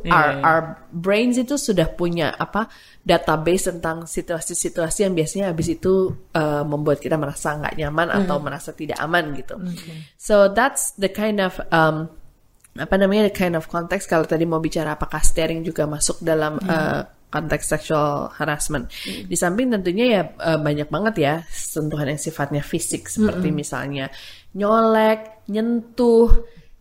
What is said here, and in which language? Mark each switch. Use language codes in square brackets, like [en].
[en] Our brains [id] itu sudah punya apa, database tentang situasi-situasi yang biasanya habis itu membuat kita merasa nggak nyaman atau merasa tidak aman gitu. [en] So that's the kind of the kind of context. [id] Kalau tadi mau bicara apakah staring juga masuk dalam konteks sexual harassment. Di samping tentunya ya banyak banget ya sentuhan yang sifatnya fisik seperti misalnya nyolek, nyentuh.